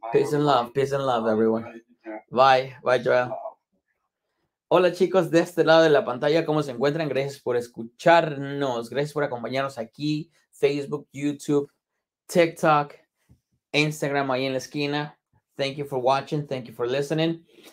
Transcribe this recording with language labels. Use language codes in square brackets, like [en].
[en] Bye. Peace and love. Peace and love, everyone. Bye. Bye, Joel. [es] Hola chicos, de este lado de la pantalla, ¿cómo se encuentran? Gracias por escucharnos, gracias por acompañarnos aquí, Facebook, YouTube, TikTok, Instagram ahí en la esquina. [en] Thank you for watching, thank you for listening.